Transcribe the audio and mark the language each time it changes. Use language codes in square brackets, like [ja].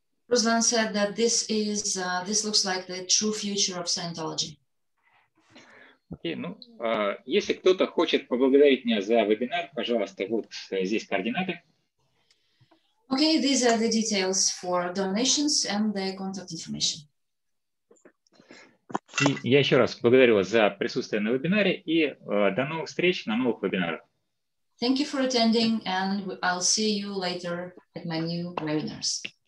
[en] Руслан said that this is this looks like the true future of Scientology. [ru] Окей, ну, если кто-то хочет поблагодарить меня за вебинар, пожалуйста, вот здесь координаты. [en] Okay, these are the details for donations and the contact information. [ru] И я еще раз благодарю вас за присутствие на вебинаре и до новых встреч на новых вебинарах. [en] Thank you for attending and I'll see you later at my new webinars.